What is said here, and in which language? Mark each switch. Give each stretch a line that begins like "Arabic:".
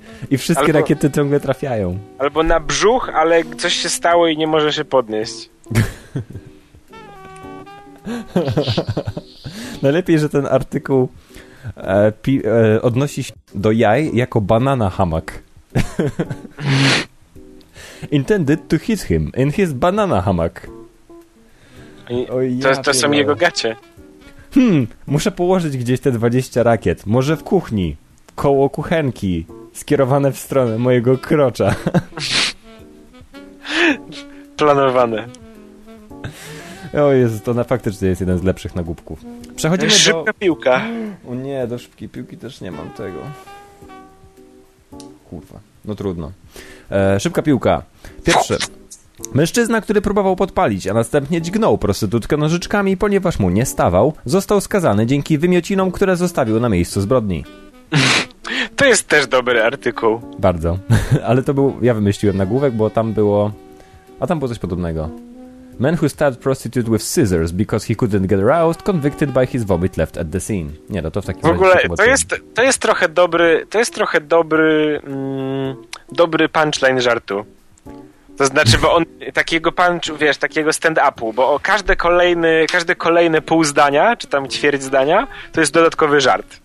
Polish: I wszystkie rakiety ciągle trafiają. Albo na brzuch, ale coś się stało i nie może się podnieść. Najlepiej, że ten artykuł odnosi się do jaj jako banana hammock.
English: Intended to hit him in his banana hammock.
Polish: To są jego gacie. Muszę położyć gdzieś te 20 rakiet. Może w kuchni, koło kuchenki. Skierowane w stronę mojego krocza. Planowane. O Jezu, to faktycznie jest jeden z lepszych nagłupków. Przechodzimy Szybka piłka. O nie, do szybkiej piłki też nie mam tego. Kurwa, no trudno. Szybka piłka. Pierwszy. Mężczyzna, który próbował podpalić, a następnie dźgnął prostytutkę nożyczkami, ponieważ mu nie stawał, został skazany dzięki wymiocinom, które zostawił na miejscu zbrodni. To jest też dobry artykuł. Bardzo. Ale to był... Ja wymyśliłem nagłówek, bo tam było... A tam było coś podobnego.
English: Man who stabbed prostitute with scissors because he couldn't get aroused, convicted by his vomit left at the scene.
Polish: Nie, no to w takim razie... W ogóle, to jest trochę dobry... To jest trochę dobry... dobry punchline żartu. To znaczy, bo on... takiego punch, wiesz, takiego stand-upu, bo o każde kolejne pół zdania, czy tam ćwierć zdania, to jest dodatkowy żart.